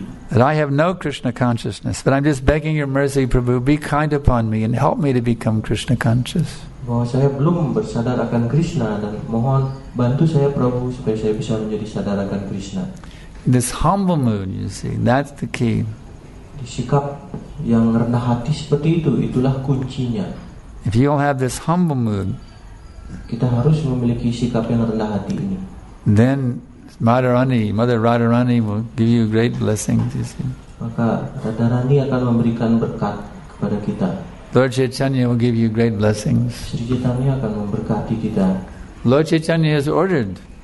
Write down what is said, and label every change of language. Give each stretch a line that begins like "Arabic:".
English: That I have no Krishna consciousness, but I'm just begging your mercy, Prabhu, be kind upon me and help me to become Krishna conscious.
Indonesian: Bahwa saya belum bersadar akan Krishna dan mohon bantu saya Prabhu supaya saya bisa menjadi sadar akan Krishna.
English: This humble mood, you see, that's the key.
Indonesian: Di sikap yang rendah hati seperti itu, itulah kuncinya.
English: If you all have this humble mood,
Indonesian: kita harus memiliki sikap yang rendah hati ini.
English: Then Madharani, Mother Radharani will give you great blessings, you see.
Indonesian: Maka Radharani akan memberikan berkat kepada kita.
English: Lord Chaitanya will give you great blessings.
Indonesian: Sri Chaitanya akan memberkati kita.
English: Lord Chaitanya has ordered.